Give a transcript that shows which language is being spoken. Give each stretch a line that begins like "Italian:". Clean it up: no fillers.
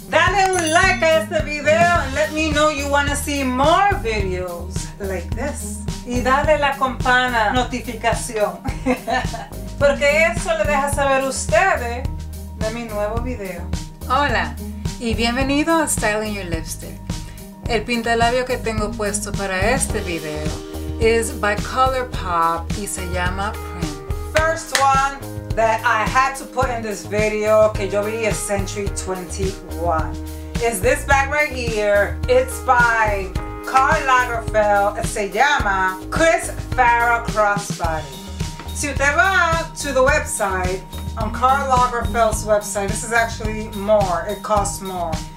Spanish: Dale un like a este video
English: and let me know you want to see more videos like this.
Spanish: Y dale la campana notificación. Porque eso le deja saber ustedes de mi nuevo video. Hola y bienvenido a Styling Your Lipstick. El pintalabio que tengo puesto para este video
English: is by
Spanish: ColourPop y se llama Prim.
English: First one that I had to put in this video,
Spanish: que yo vi es Century 21,
English: is this bag right here. It's by Karl Lagerfeld.
Spanish: Se llama
English: Chris Farrell Crossbody.
Spanish: Si usted va
English: to the website, on Karl Lagerfeld's website, this is actually more. It costs more.